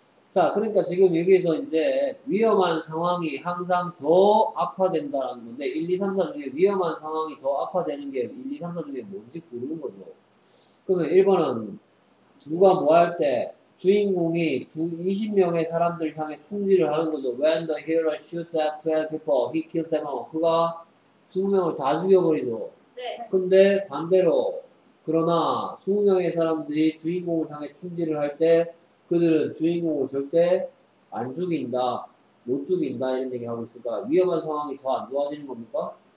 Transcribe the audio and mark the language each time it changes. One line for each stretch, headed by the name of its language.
Korean: 자, 그러니까 지금 여기에서 이제 위험한 상황이 항상 더 악화된다라는 건데 1, 2, 3, 4 중에 위험한 상황이 더 악화되는 게 1, 2, 3, 4 중에 뭔지 모르는 거죠. 그러면 1번은 누가 뭐 할 때 주인공이 20명의 사람들 향해 총질을 하는 거죠.
English: When the hero shoots at 12 people, he kills them all.
Korean: 그가 20명을 다 죽여버리죠. 네. 근데 반대로 그러나 20명의 사람들이 주인공을 향해 총질을 할 때 그들은 주인공을 절대 안 죽인다, 못 죽인다 이런 얘기 하고 있을까? 위험한 상황이 더 안 좋아지는 겁니까?